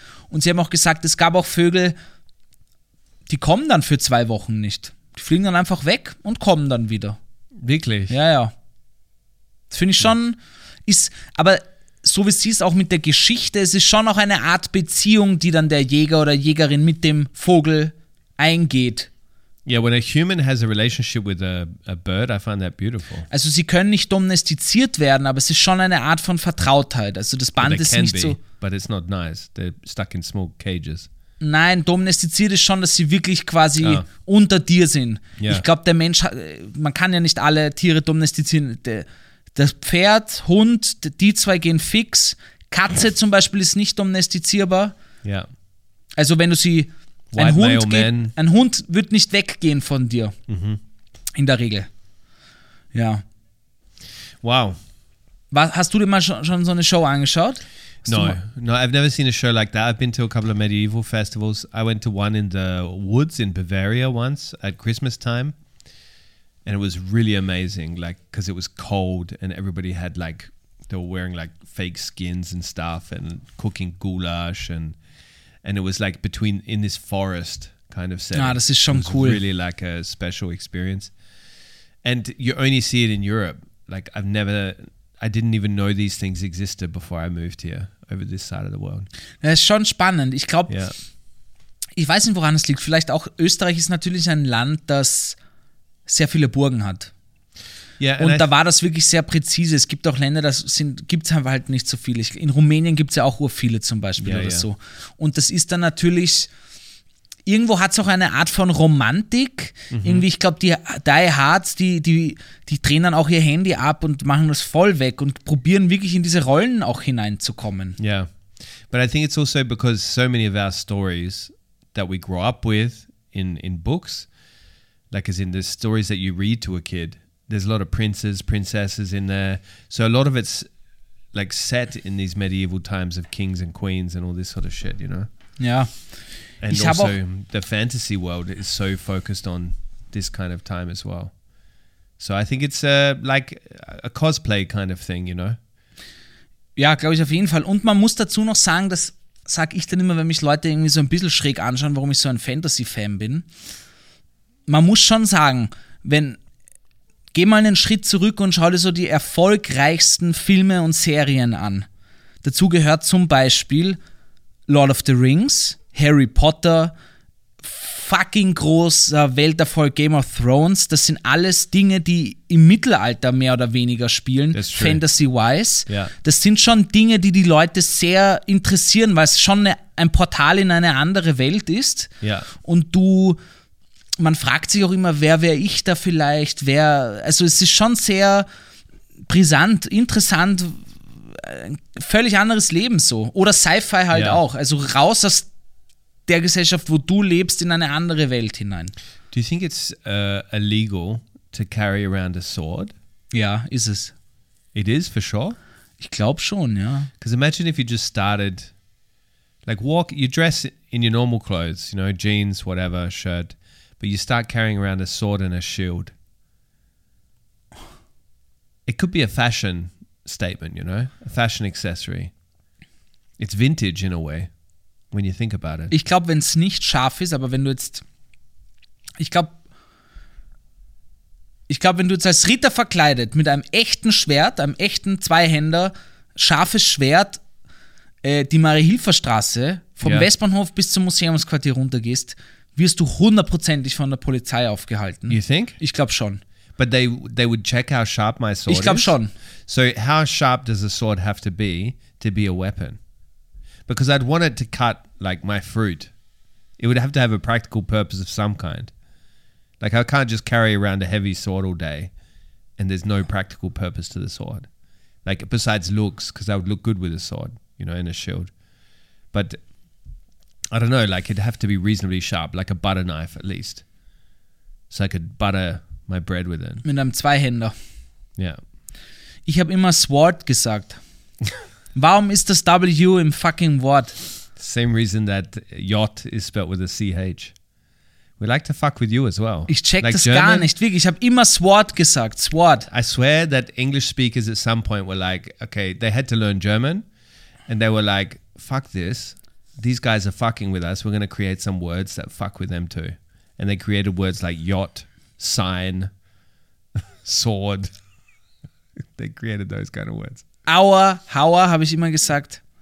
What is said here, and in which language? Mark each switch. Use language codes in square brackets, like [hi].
[de] Und sie haben auch gesagt, es gab auch Vögel, die kommen dann für 2 Wochen nicht. Die fliegen dann einfach weg und kommen dann wieder. Wirklich? Ja, ja. Das finde ich schon. Ist, aber so wie sie es auch mit der Geschichte, es ist schon auch eine Art Beziehung, die dann der Jäger oder Jägerin mit dem Vogel eingeht. [en] Yeah, when a human has a relationship with a bird, I find that beautiful. [de] Also sie können nicht domestiziert werden, aber es ist schon eine Art von Vertrautheit. Also das Band ist nicht so. [en] But it's not nice. They're stuck in small cages. [de] Nein, domestiziert ist schon, dass sie wirklich quasi unter dir sind. Yeah. Ich glaube, der Mensch, man kann ja nicht alle Tiere domestizieren. Das Pferd, Hund, die zwei gehen fix. Katze zum Beispiel ist nicht domestizierbar. Ja. Yeah. Also wenn du sie, ein Hund wird nicht weggehen von dir. Mm-hmm. In der Regel. Ja. Wow. Hast du dir mal schon so eine Show angeschaut? [en] No, I've never seen a show like that. I've been to a couple of medieval festivals. I went to one in the woods in Bavaria once at Christmas time. And it was really amazing, like, because it was cold and everybody had, like, they were wearing, like, fake skins and stuff and cooking goulash. And it was, like, between, in this forest kind of setting. [de] Ah, das ist schon cool. It [en] was really, like, a special experience. And you only see it in Europe. Like, I didn't even know these things existed before I moved here, over this side of the world. [de] Das ist schon spannend. Ich glaube, ich weiß nicht, woran es liegt. Vielleicht auch Österreich ist natürlich ein Land, das sehr viele Burgen hat. [en] Yeah, [de] und da war das wirklich sehr präzise. Es gibt auch Länder, gibt es halt nicht so viele. In Rumänien gibt es ja auch urviele zum Beispiel so. Und das ist dann natürlich, irgendwo hat es auch eine Art von Romantik. Mhm. Irgendwie, ich glaube, die Die Hards, die drehen dann auch ihr Handy ab und machen das voll weg und probieren wirklich in diese Rollen auch hineinzukommen. Ja, yeah. [en] But I think it's also because so many of our stories that we grow up with in books, like as in the stories that you read to a kid, there's a lot of princes, princesses in there. So a lot of it's like set in these medieval times of kings and queens and all this sort of shit, you know? Yeah. And [de] ich [en] also the fantasy world is so focused on this kind of time as well. So I think it's like a cosplay kind of thing, you know? [de] Ja, glaube ich auf jeden Fall. Und man muss dazu noch sagen, das sage ich dann immer, wenn mich Leute irgendwie so ein bisschen schräg anschauen, warum ich so ein Fantasy-Fan bin. Man muss schon sagen, geh mal einen Schritt zurück und schau dir so die erfolgreichsten Filme und Serien an. Dazu gehört zum Beispiel Lord of the Rings, Harry Potter, fucking großer Welterfolg Game of Thrones. Das sind alles Dinge, die im Mittelalter mehr oder weniger spielen, fantasy-wise. [en] Yeah. [de] Das sind schon Dinge, die die Leute sehr interessieren, weil es schon ein Portal in eine andere Welt ist. [en] Yeah. [de] Und man fragt sich auch immer, wer wäre ich da vielleicht? Also es ist schon sehr brisant, interessant, ein völlig anderes Leben so. Oder Sci-Fi halt auch. Also raus aus der Gesellschaft, wo du lebst, in eine andere Welt hinein. [en] Do you think it's illegal to carry around a sword? [de] Ja, ist es. [en] It is, for sure? [de] Ich glaube schon, ja. [en] Because imagine if you just started, like walk, you dress in your normal clothes, you know, jeans, whatever, shirt. But you start carrying around a sword and a shield. It could be a fashion statement, you know, a fashion accessory. It's vintage in a way, when you think about it. [de] Ich glaube, wenn es nicht scharf ist, aber wenn du jetzt, ich glaube, wenn du jetzt als Ritter verkleidet mit einem echten Schwert, einem echten Zweihänder, scharfes Schwert, die Marie-Hilfer-Straße vom Westbahnhof bis zum Museumsquartier runtergehst, wirst du hundertprozentig von der Polizei aufgehalten. [en] You think? [de] Ich glaube schon. [en] But they would check how sharp my sword is. [de] Ich glaube schon. [en] So how sharp does a sword have to be a weapon? Because I'd want it to cut like my fruit. It would have to have a practical purpose of some kind. Like I can't just carry around a heavy sword all day and there's no practical purpose to the sword. Like besides looks, because I would look good with a sword, you know, and a shield. But I don't know, like it'd have to be reasonably sharp, like a butter knife at least. So I could butter my bread with it. [de] Mit einem Zweihänder. [en] Yeah. [de] Ich habe immer Sword gesagt. Warum ist das W im fucking Wort? [en] Same reason that yacht is spelled with a CH. We like to fuck with you as well. [de] Ich check like das German, gar nicht, wirklich. Ich habe immer Sword gesagt, Sword. [en] I swear that English speakers at some point were like, okay, they had to learn German and they were like, fuck this. These guys are fucking with us. We're going to create some words that fuck with them too. And they created words like yacht, sign, sword. They created those kind of words. [de] Hour, hour, habe ich immer gesagt.